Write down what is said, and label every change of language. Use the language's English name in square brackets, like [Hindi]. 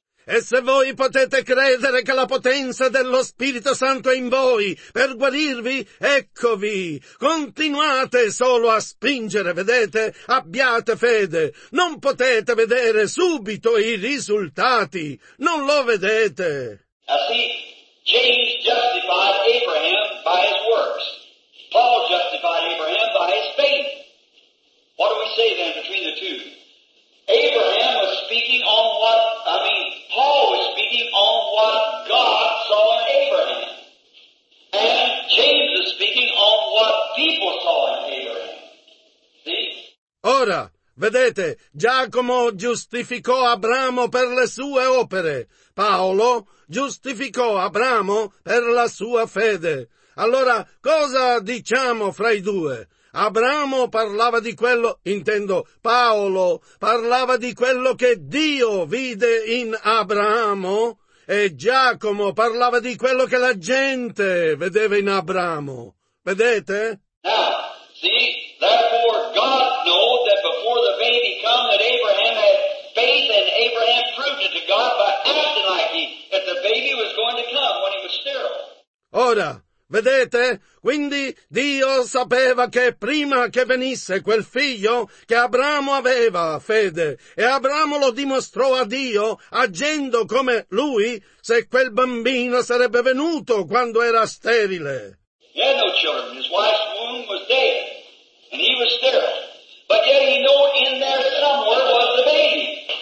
[Italian] E se voi potete credere che la potenza dello Spirito Santo è in voi per guarirvi, eccovi. Continuate solo a spingere, vedete? Abbiate fede. Non potete vedere subito i risultati. Non lo vedete. [English] James justified Abraham by his works. Paul justified Abraham by his faith. What do we say then between the two? Abraham was speaking on what, Paul was speaking on what God saw in Abraham. And James is speaking on what people saw in Abraham. See? [Italian] Ora. Vedete, Giacomo giustificò Abramo per le sue opere. Paolo giustificò Abramo per la sua fede. Allora, cosa diciamo fra i due? Abramo parlava di quello, intendo, Paolo parlava di quello che Dio vide in Abramo e Giacomo parlava di quello che la gente vedeva in Abramo. Vedete? [English] Therefore God knew that before the baby come that Abraham had faith, and Abraham proved it to God by acting like he, that the baby was going to come when he was sterile. [Italian] Ora. Vedete? Quindi Dio sapeva che prima che venisse quel figlio che Abramo aveva fede, e Abramo lo dimostrò a Dio agendo come lui, se quel bambino sarebbe venuto quando era sterile. [English] He had no children. His wife's womb was dead and he was sterile. But yet he knew in there somewhere was the baby.